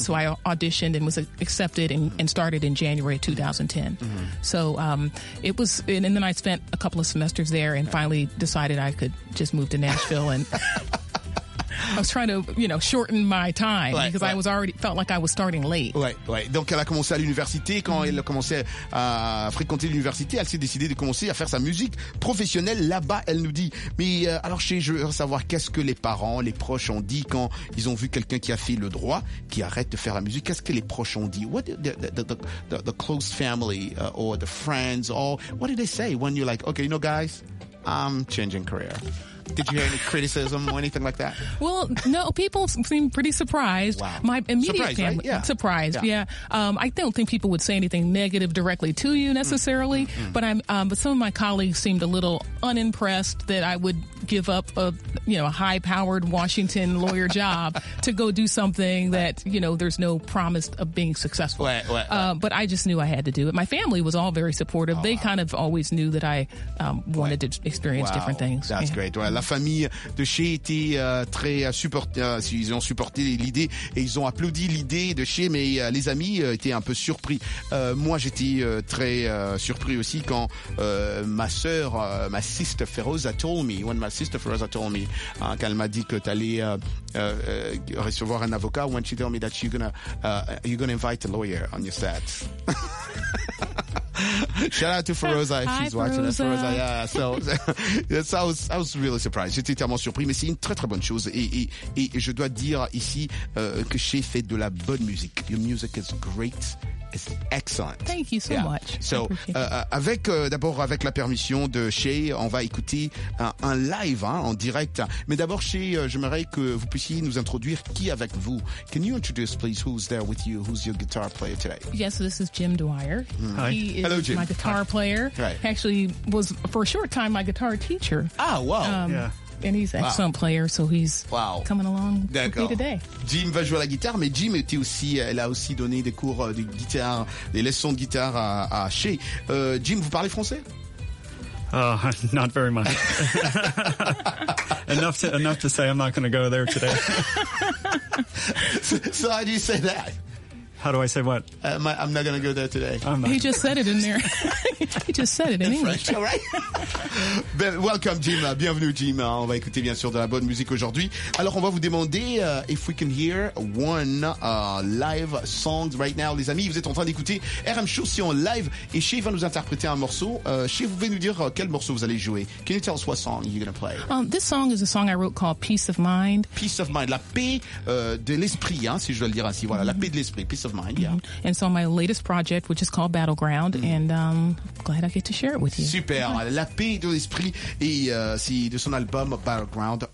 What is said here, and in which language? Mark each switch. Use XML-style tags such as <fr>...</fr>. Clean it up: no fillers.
<en>So I auditioned and was accepted and started in January 2010. Mm-hmm. So it was, and then I spent a couple of semesters there and finally decided I could just move to Nashville. And I was trying to, you know, shorten my time,</en> <fr>ouais,</fr> <en>because I was already felt like I was starting late.</en> <fr>Ouais. Donc elle a commencé à l'université. Quand mm-hmm. elle a commencé à fréquenter l'université, elle s'est décidée de commencer à faire sa musique professionnelle là-bas, elle nous dit. Mais alors, je veux savoir qu'est-ce que les parents, les proches ont dit quand ils ont vu quelqu'un qui a fait le droit, qui arrête de faire la musique. Qu'est-ce que les proches ont dit?</fr> <en>What did the close family or the friends or what did they say when you're like, okay, you know, guys, I'm changing career? Did you hear any criticism or anything like that? Well, no, people seem pretty surprised. Wow. My immediate surprise, family, right? Yeah. Surprised, yeah. I don't think people would say anything negative directly to you necessarily, mm-hmm. but some of my colleagues seemed a little unimpressed that I would give up a high-powered Washington lawyer job to go do something that, you know, there's no promise of being successful. Wait. But I just knew I had to do it. My family was all very supportive. Oh, they kind of always knew that I wanted to experience different things. That's great.</en> <fr>Ouais, la famille de Shay était très supportée. Ils ont supporté l'idée et ils ont applaudi l'idée de Shay, mais les amis étaient un peu surpris. Moi, j'étais très surpris aussi quand ma sœur,</fr> <en>ma sister Feroza told me, when my sister Feroza told me,</en> <fr>quand elle m'a dit que t'allais recevoir un avocat,</fr> <en>when she told me that you're gonna invite a lawyer on your set. Shout out to Feroza if she's watching us. Feroza, yeah. So yes, I was really surprised.</en> <fr>J'étais tellement surpris, mais c'est une très très bonne chose. Et je dois dire ici que Shay fait de la bonne musique.</fr> <en>Your music is great. It's excellent. Thank you so much.</en> <fr>So avec la permission de Shay, on va écouter un live en direct. Mais d'abord, Shay, j'aimerais que vous puissiez nous introduire qui avec vous.</fr> <en>Can you introduce, please, who's there with you? Who's your guitar player today? Yes, so this is Jim Dwyer. Mm. Hi. Hello, Jim. My guitar player. Right. Actually, was for a short time my guitar teacher. Ah, wow. Yeah. And he's an excellent player, so he's coming along today.</en> <fr>Jim va jouer à la guitare, mais Jim était aussi, elle a aussi donné des cours de guitare, des leçons de guitare à Shea. Jim, vous parlez français?</fr> <en>Not very much. enough to say I'm not going to go there today. So how do you say that? How do I say what? I'm not going to go there today. He just said it in there. He just said it in English. French, right? Welcome, Jim.</en> <fr>Bienvenue,</fr> <en>Jim.</en> <fr>On va écouter, bien sûr, de la bonne musique aujourd'hui. Alors, on va vous demander</fr> <en>if we can hear one live song right now,</en> <fr>les amis. Vous êtes en train d'écouter RM Show, si on live. Et Shea va nous interpréter un morceau. Shea, vous pouvez nous dire quel morceau vous allez jouer.</fr> <en>Can you tell us what song you're going to play? This song is a song I wrote called Peace of Mind.</en> <fr>Peace of Mind. La paix de l'esprit, hein, si je dois le dire ainsi. Voilà, la paix de l'esprit. Peace of Mind, yeah. Mm-hmm.</fr> <en>And so my latest project, which is called Battleground, and glad I get to share it with you. Super. Yeah.</en> <fr>La paix de l'esprit et c'est de son album Battleground.</fr>